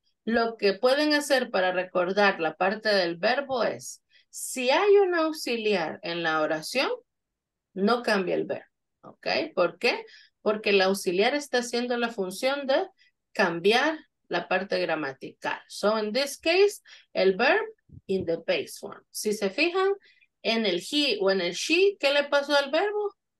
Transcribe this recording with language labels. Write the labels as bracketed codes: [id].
[es] Lo que pueden hacer para recordar la parte del verbo es, si hay un auxiliar en la oración, no cambia el verbo, ¿ok? ¿Por qué? Porque el auxiliar está haciendo la función de cambiar la parte gramatical. [en] So, in this case, [es] el [en] verb in the base form. [es] Si se fijan, en el he o en el she, ¿qué le pasó al verbo?